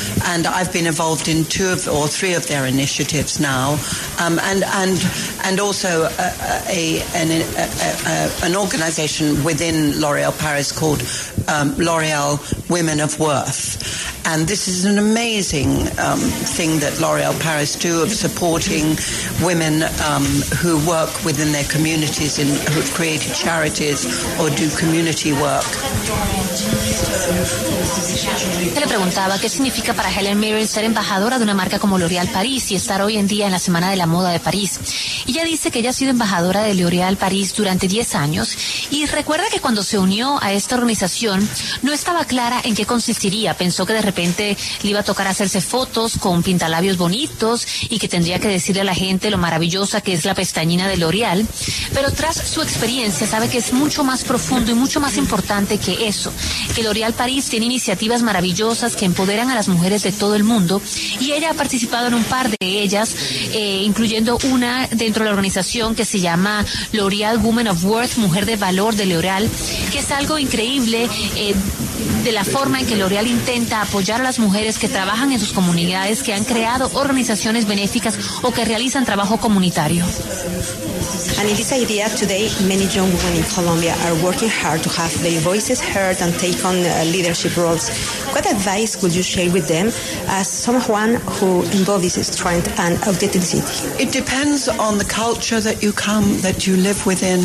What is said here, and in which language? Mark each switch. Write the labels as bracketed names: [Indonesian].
[English] And I've been involved in two of, or three of their initiatives now, and also an organization within L'Oréal Paris called L'Oréal Women of Worth. And this is an amazing thing that L'Oréal Paris do, of supporting women who work within their communities, in who've created charities or do community work. [Spanish] Se le preguntaba qué significa para Helen Mirren ser embajadora de una marca como L'Oréal Paris y estar hoy en día en la Semana de la Moda de París. Y ella dice que ella ha sido embajadora de L'Oréal Paris durante 10 años y recuerda que cuando se unió a esta organización no estaba clara en qué consistiría. Pensó que de repente le iba a tocar hacerse fotos con pintalabios bonitos y que tendría que decirle a la gente lo maravillosa que es la pestañina de L'Oréal. Pero tras su experiencia sabe que es mucho más profundo y mucho más importante que eso. Que L'Oréal Paris tiene iniciativas maravillosas que empoderan a las mujeres de todo el mundo, y ella ha participado en un par de ellas, incluyendo una dentro de la organización que se llama L'Oréal Women of Worth, Mujer de Valor de L'Oréal, que es algo increíble de la forma en que L'Oréal intenta apoyar a las mujeres que trabajan en sus comunidades, que han creado organizaciones benéficas o que realizan trabajo comunitario. [English] And in this idea, today many young women in Colombia are working hard to have their voices heard and take on leadership roles. What advice would you share with them as someone who embodies this strength and authenticity? It depends on the culture that you come, that you live within.